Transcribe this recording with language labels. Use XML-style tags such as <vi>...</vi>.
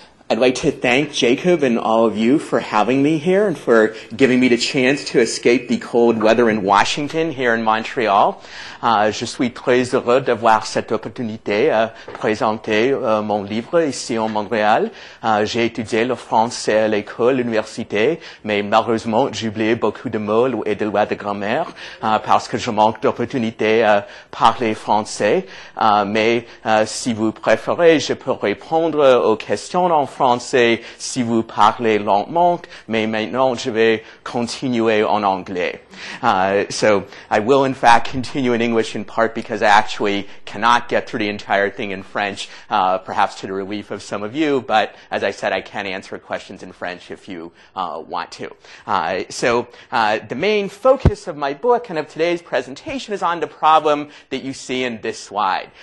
<en>I'd like to thank Jacob and all of you for having me here and for giving me the chance to escape the cold weather in Washington here in Montreal.</en> <fr>Je suis très heureux d'avoir cette opportunité de présenter mon livre ici en Montréal. J'ai étudié le français à l'école, l'université, mais malheureusement, j'ai oublié beaucoup de mots et de lois de grammaire parce que je manque d'opportunité à parler français. Mais si vous préférez, je peux répondre aux questions en français si vous parlez lentement, mais maintenant, je vais continuer en anglais.</fr> <en>So I will, in fact, continue in English, in part because I actually cannot get through the entire thing in French, perhaps to the relief of some of you, but as I said, I can answer questions in French if you want to. So the main focus of my book and of today's presentation is on the problem that you see in this slide.</en>